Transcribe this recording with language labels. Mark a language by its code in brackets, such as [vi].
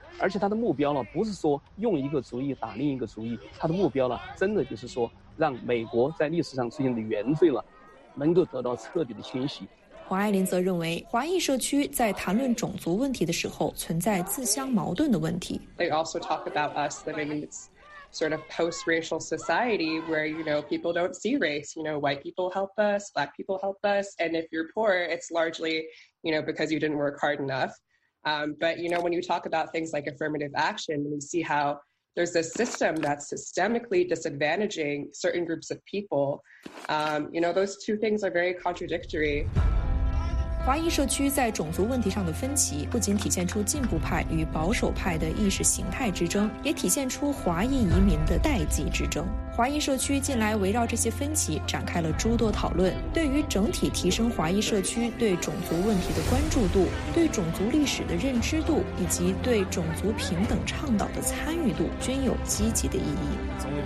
[zh] 而且他的目标呢，不是说用一个族裔打另一个族裔，他的目标呢，真的就是说让美国在历史上出现的原罪了，能够得到彻底的清洗。黄爱琳则认为，华裔社区在谈论种族问题的时候，存在自相矛盾的问题。 [en] They also talk about us living in this sort of post-racial society where, you know, people don't see race. You know, white people help us, black people help us, and if you're poor, it's largely, you know, because you didn't work hard enough. But, you know, when you talk about things like affirmative action, we see how there's this system that's systemically disadvantaging certain groups of people. You know, those two things are very contradictory. [zh] 华裔社区在种族问题上的分歧不仅体现出进步派与保守派的意识形态之争，也体现出华裔移民的代际之争。华裔社区近来围绕这些分歧展开了诸多讨论，对于整体提升华裔社区对种族问题的关注度、对种族历史的认知度以及对种族平等倡导的参与度均有积极的意义。